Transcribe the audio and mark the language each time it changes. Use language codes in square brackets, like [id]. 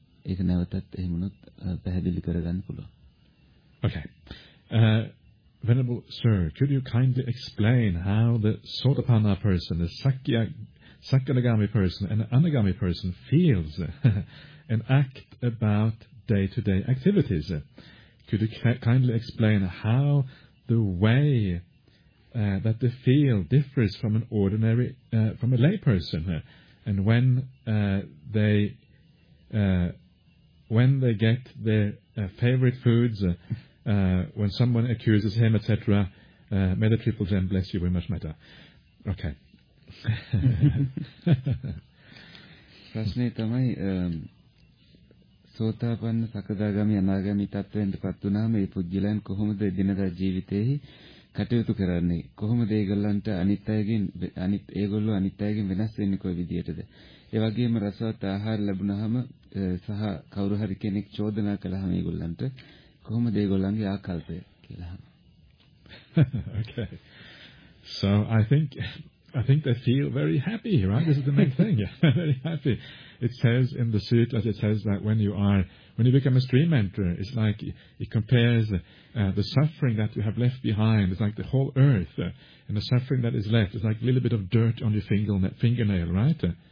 [si] ඒක නැවතත් එහෙමනොත් පැහැදිලි කරගන්න පුළුවන්. [en] Okay. Venerable sir, could you kindly explain how the Sotapanna person, the Sakyagami person and the Anagami person feels and act about day-to-day activities? Could you kindly explain how the way that the feel differs from an ordinary, from a lay person, and when they when they get their favorite foods, when someone accuses him, etc., may the triple gem bless you very much, Metta. Okay. [si] ප්‍රශ්නේ තමයි සෝතාපන්න සකදාගාමි අනාගාමි තත්ත්වෙන් පිටත් වුණාම මේ පුජ්‍යලයන් කොහොමද දිනදා ජීවිතේහි කටයුතු කරන්නේ කොහොමද ඒගොල්ලන්ට අනිත්යගෙන් අනිත් ඒගොල්ලෝ අනිත්යගෙන් වෙනස් වෙන්නේ කොයි විදියටද ඒ වගේම රසවත් ආහාර ලැබුණාම සහ කවුරු හරි කෙනෙක් චෝදනා කළාම ඒගොල්ලන්ට කොහොමද ඒගොල්ලන්ගේ ආකල්පය කියලා [en] Okay. So I think they feel very happy, right? This is the main thing. Very happy. It says in the sutras, it says that when you become a stream enterer, it's like it compares the suffering that you have left behind. It's like the whole earth and the suffering that is left. It's like a little bit of dirt on your fingernail, right?